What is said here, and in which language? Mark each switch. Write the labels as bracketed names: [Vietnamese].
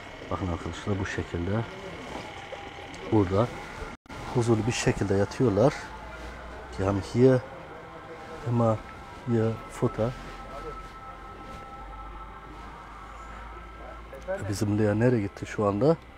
[Turkish] Bakın arkadaşlar bu şekilde. Burada huzurlu bir şekilde yatıyorlar. [German] Die haben hier immer ihr Futter. [Turkish] Bizim Leon nereye gitti şu anda?